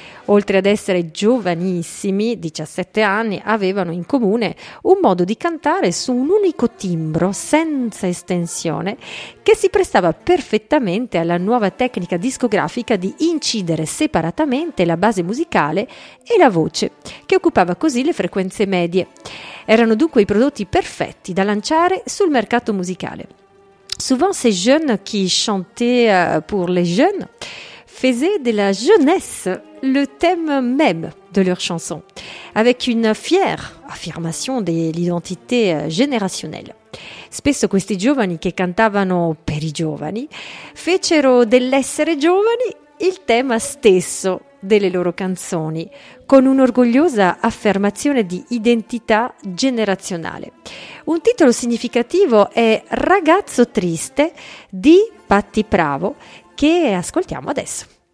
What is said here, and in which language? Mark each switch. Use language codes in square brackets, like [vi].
[it] Oltre ad essere giovanissimi, 17 anni, avevano in comune un modo di cantare su un unico timbro, senza estensione, che si prestava perfettamente alla nuova tecnica discografica di incidere separatamente la base musicale e la voce, che occupava così le frequenze medie. Erano dunque i prodotti perfetti da lanciare sul mercato musicale. [fr] Souvent ces jeunes qui chantaient pour les jeunes faisaient de la jeunesse le thème même de leur chanson, avec une fière affirmation de l'identité générationnelle. [it] Spesso questi giovani che cantavano per i giovani fecero dell'essere giovani il tema stesso delle loro canzoni, con un'orgogliosa affermazione di identità generazionale. Un titolo significativo è Ragazzo triste di Patti Pravo, che ascoltiamo adesso.